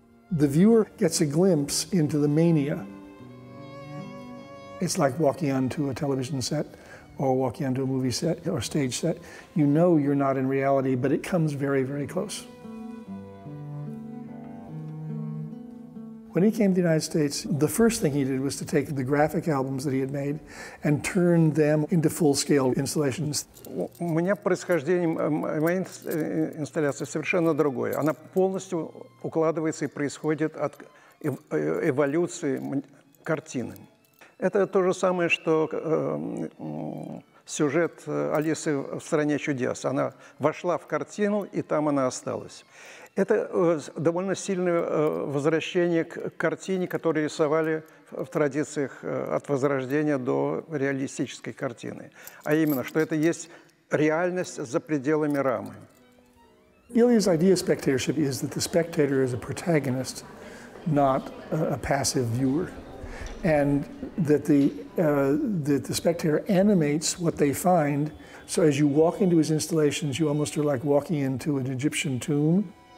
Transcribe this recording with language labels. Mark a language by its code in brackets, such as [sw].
[en] The viewer gets a glimpse into the mania. It's like walking onto a television set or walking onto a movie set or stage set. You know you're not in reality, but it comes very, very close. When he came to the United States, the first thing he did was to take the graphic albums that he had made and turn them into full-scale installations. [ru] Моё происхождение, моя инсталляция совершенно другое. Она полностью укладывается и происходит от эволюции картины. Это то же самое, что сюжет Алисы в стране чудес. Она вошла в картину, и там она осталась. Это довольно сильное возвращение к картине, которую рисовали в традициях от Возрождения до реалистической картины. А именно, что это есть реальность за пределами рамы. [en] Ilya's idea of spectatorship is that the spectator is a protagonist, not a passive viewer. And that the spectator animates what they find. So as you walk into his installations, you almost are like walking into an Egyptian tomb.